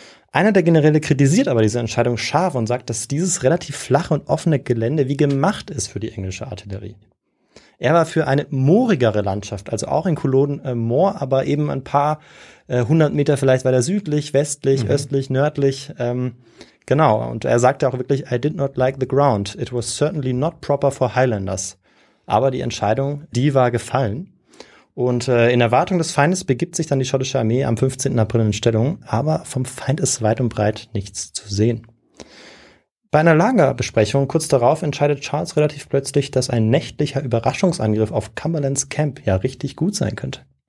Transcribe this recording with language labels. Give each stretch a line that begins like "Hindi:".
German: Einer der Generäle kritisiert aber diese Entscheidung scharf und sagt, dass dieses relativ flache und offene Gelände wie gemacht ist für die englische Artillerie. Er war für eine moorigere Landschaft, also auch in Culloden Moor, aber eben ein paar hundert Meter vielleicht weiter südlich, westlich, östlich, nördlich. Genau, und er sagte auch wirklich,
English: I did not like the ground. It was certainly not proper for Highlanders.
German: Aber die Entscheidung, die war gefallen. Und in Erwartung des Feindes begibt sich dann die schottische Armee am 15. April in Stellung. Aber vom Feind ist weit und breit nichts zu sehen. Bei einer Lagerbesprechung kurz darauf entscheidet Charles relativ plötzlich, dass ein nächtlicher Überraschungsangriff auf Cumberlands Camp ja richtig gut sein könnte.